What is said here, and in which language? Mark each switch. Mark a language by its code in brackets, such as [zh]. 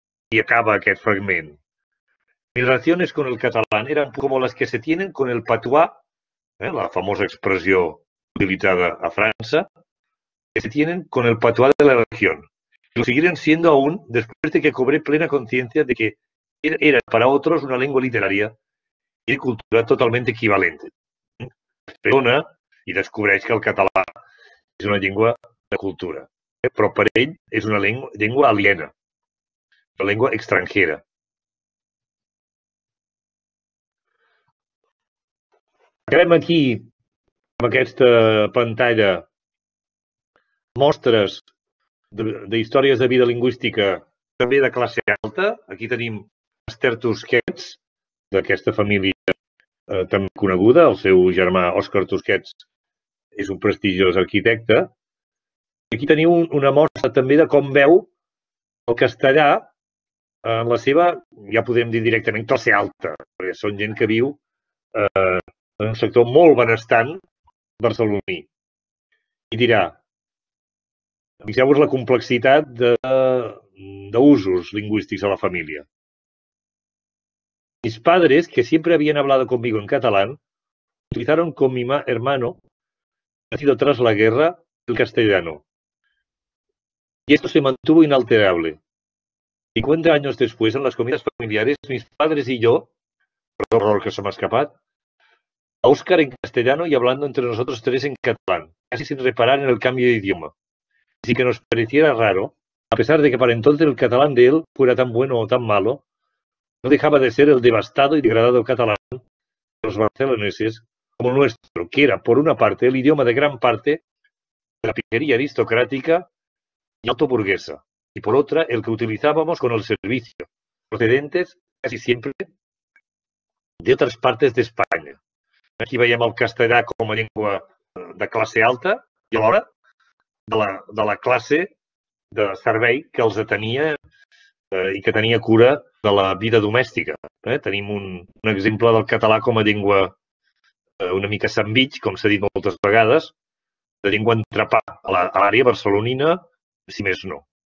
[es] Y acaba aquel fragmento. Mis relaciones con el catalán eran como las que se tienen con el patuá, la famosa expresión utilizada a França, que se tienen con el patuá de la región. Y lo seguirán siendo aún después de que cobré plena conciencia de que era para otros una lengua literaria y de cultura totalmente equivalente. [ca] Perdona y descubreix que el català és una llengua de cultura. Però per ell és una llengua aliena, una llengua estrangera. Acabem aquí amb aquesta pantalla mostres d'històries de vida lingüística també de classe alta. Aquí tenim els Tusquets, d'aquesta família tan coneguda. El seu germà, Òscar Tusquets, és un prestigiós arquitecte. Aquí teniu una mostra també de com veu el castellà en la seva, ja podem dir directament, classe alta, perquè són gent que viu en un sector molt benestant barceloní. I dirà, fixeu-vos la complexitat d'usos lingüístics a la família. [es] Mis padres, que siempre habían hablado conmigo en catalán, utilizaron con mi hermano, nacido tras la guerra, el castellano. Y esto se mantuvo inalterable. 50 años después, en las comidas familiares, mis padres y yo, por el horror que se me ha escapado, a Óscar en castellano y hablando entre nosotros tres en catalán, casi sin reparar en el cambio de idioma. Así que nos pareciera raro, a pesar de que para entonces el catalán de él fuera tan bueno o tan malo, no dejaba de ser el devastado y degradado catalán de los barceloneses como nuestro, que era, por una parte, el idioma de gran parte de la piquería aristocrática y alto burguesa, y por otra, el que utilizábamos con el servicio, procedentes casi siempre de otras partes de España. [ca] Aquí veiem el castellà com a llengua de classe alta i alhora de la classe de servei que els atenia i que tenia cura de la vida domèstica. Tenim un exemple del català com a llengua una mica sandwich, com s'ha dit moltes vegades, de llengua entrepà a l'àrea barcelonina, si més no.